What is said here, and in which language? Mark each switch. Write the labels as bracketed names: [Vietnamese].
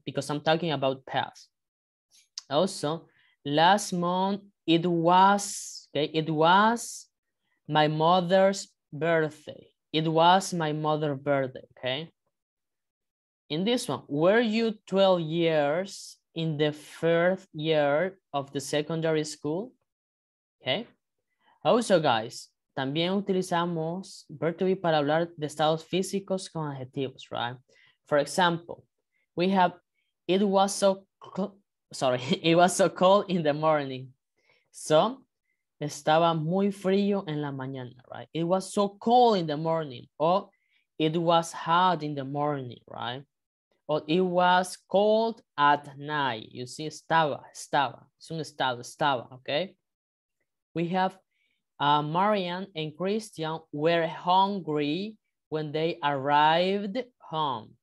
[English] Because I'm talking about past. Also, last month, it was, okay? It was my mother's birthday. It was my mother's birthday, okay? In this one, were you 12 years in the first year of the secondary school? Okay? Also, guys, [Spanish] también utilizamos verb to be para hablar de estados físicos con adjetivos, right? [English] For example, we have, it was so cold in the morning. [Spanish] So, estaba muy frío en la mañana, right? [English] It was so cold in the morning. Or, it was hot in the morning, right? Or, it was cold at night. You see, [Spanish] estaba. Es un estado, estaba, [English] okay? We have, Marian and Christian were hungry when they arrived home.